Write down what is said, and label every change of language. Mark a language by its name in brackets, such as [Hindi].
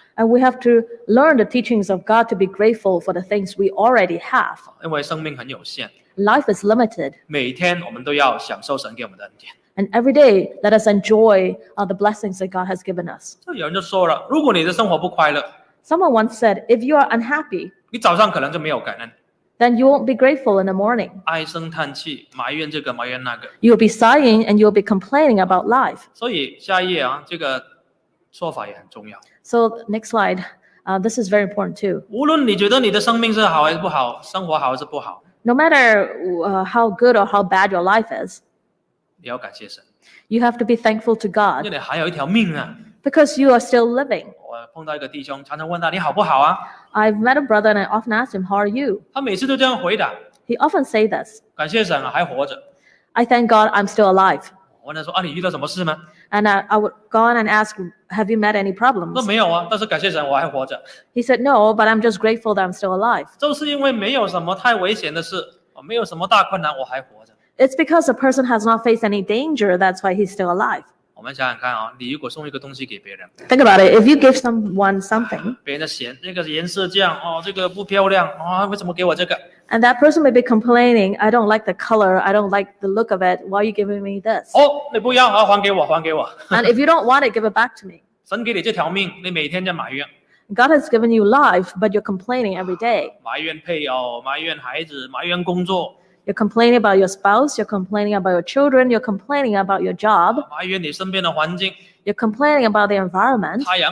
[English] And we have to learn the teachings of God to be grateful for the things we already have. [Chinese] 因为生命很有限, [English] life is limited. [Chinese] 每天我们都要享受神给我们的恩典。 [English] And every day, let us enjoy the blessings that God has given us. [Chinese] 有人就说了，如果你的生活不快乐, [English] someone once said, if you are unhappy, [Chinese] 你早上可能就没有感恩, [English] then you won't be grateful in the morning. [Chinese] 唉声叹气, 埋怨这个, 埋怨那个, [English] you'll be sighing and you'll be complaining about life. [Chinese] 所以下一页啊, 这个说法也很重要。 [English] So next slide, this is very important too. [Chinese] 无论你觉得你的生命是好还是不好, 生活好还是不好, [English] no matter how good or how bad your life is, [Chinese] 你要感谢神, [English] you have to be thankful to God. [Chinese] 因为你还有一条命啊, [English] because you are still living. [Chinese] 我碰到一个弟兄, 常常问他你好不好啊? [English] I've met a brother and I often ask him, how are you? [Chinese] 他每次都这样回答, [English] he often say this, [Chinese] 感谢神啊还活着, [English] I thank God I'm still alive. [Chinese] 我问他说啊你遇到什么事吗? [English] And I would go on and ask, have you met any problems? [Chinese] 那没有啊, 但是感谢神我还活着。 [English] He said, no, but I'm just grateful that I'm still alive. [Chinese] 就是因为没有什么太危险的事, 没有什么大困难, 我还活着。 [English] It's because a person has not faced any danger, that's why he's still alive. [Chinese] 我们想想看啊, 你如果送一个东西给别人, [English] think about it, if you give someone something, [Chinese] 别人的嫌, 那个颜色这样, 哦, 这个不漂亮, 哦, 为什么给我这个? [English] And that person may be complaining, I don't like the color, I don't like the look of it, why are you giving me this? [Chinese] 哦，你不要，还给我，还给我。 [English] And if you don't want it, give it back to me. [Chinese] 神给你这条命, 你每天在埋怨。 [English] God has given you life, but you're complaining every day. [Chinese] 埋怨配偶, 埋怨孩子, 埋怨工作。 [English] You're complaining about your spouse, you're complaining about your children, you're complaining about your job. [Chinese] 埋怨你身边的环境。 [English] You're complaining about the environment.